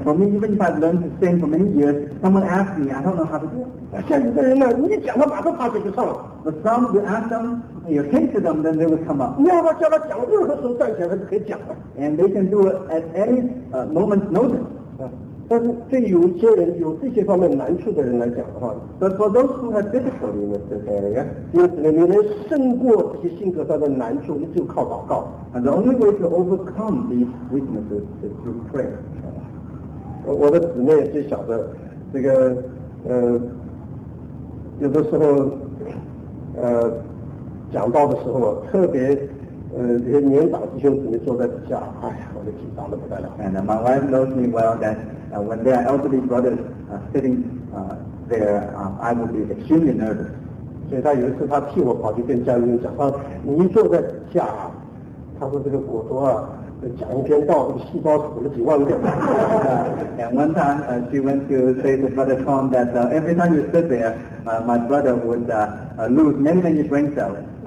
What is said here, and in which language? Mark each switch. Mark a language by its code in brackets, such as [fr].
[en] For me, even if I've learned to sing for many years, someone asked me, I don't know how to do it. [zh] 像有的人呢，你讲他马上他就去唱了。 [en] But some, you ask them, you hint to them, then they will come up. [zh] 你要他叫他讲，任何时候站起来他就可以讲了。 [en] And they can do it at any moment's notice. [zh] 但是对有些人有这些方面难处的人来讲的话 [en] ，But for those who have difficulty with this area, [zh] 因此呢，你能胜过这些性格上的难处，你就靠祷告。 [en] And the only way to overcome these weaknesses is through prayer. [zh] 我的姊妹最小的，这个有的时候讲到的时候特别。这些年长弟兄姊妹坐在底下，哎呀，我就紧张得不得了。 [en] And my wife knows me well that when there are elderly brothers sitting I would be extremely nervous. [zh] 所以他有一次他替我跑去跟家里讲，他说你坐在家，他说这个果多啊，讲一篇道，这个细胞吐了几万遍。 [en] And one time, she went to say to Brother Tom that every time you sit there, my brother would lose many many brain cells.